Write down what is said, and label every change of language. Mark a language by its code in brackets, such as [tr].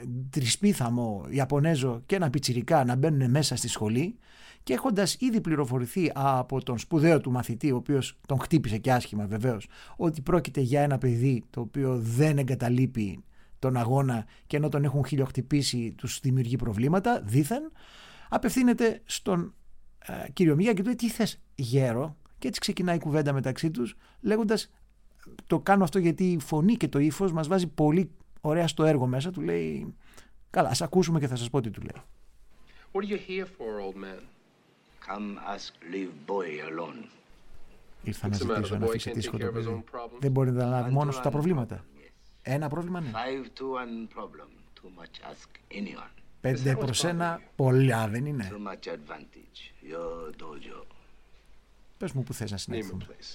[el] τρισπίθαμο Ιαπωνέζο και ένα πιτσιρικά να μπαίνουν μέσα στη σχολή, και έχοντας ήδη πληροφορηθεί από τον σπουδαίο του μαθητή, ο οποίος τον χτύπησε και άσχημα βεβαίως, ότι πρόκειται για ένα παιδί το οποίο δεν εγκαταλείπει τον αγώνα και ενώ τον έχουν χιλιοχτυπήσει τους δημιουργεί προβλήματα δήθεν, απευθύνεται στον κύριο Μία και του λέει, τι θες γέρο, και έτσι ξεκινάει η κουβέντα μεταξύ τους, λέγοντας, το κάνω αυτό γιατί η φωνή και το ύφος μας βάζει πολύ ωραία στο έργο μέσα, του λέει. Καλά, ας ακούσουμε και θα σας πω τι του λέει. [en] What are you here for, old man? Come ask leave boy alone. [el] Ήρθα να ζητήσω να αφήσει τίσχο το παιδί. Δεν μπορεί να λάβει μόνος του τα προβλήματα. Yes. Ένα πρόβλημα, ναι. [en] 5-1 problem. Too much ask anyone. [el] 5-1, πολλά δεν είναι. [en] Too much advantage. Your dojo. [el] Πες μου που θες να συνεχθούμε.